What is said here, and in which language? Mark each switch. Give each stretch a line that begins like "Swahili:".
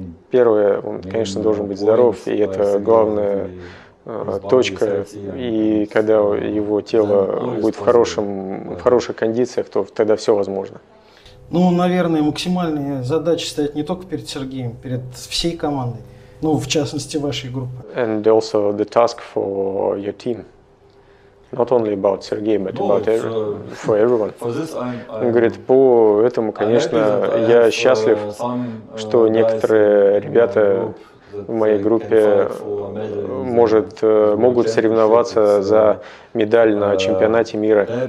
Russian: Первое, он, конечно, должен быть здоров, и это главная точка. И когда его тело будет в хорошей кондициях, то тогда все возможно. Ну, наверное, максимальные задачи стоят не только перед Сергеем, перед всей командой, ну, в частности, вашей группы.
English: And also the task for your team. Not only about Сергей, but about for everyone.
Russian: Он говорит, по этому, конечно, я счастлив, что некоторые ребята в моей группе могут соревноваться за медаль на чемпионате мира.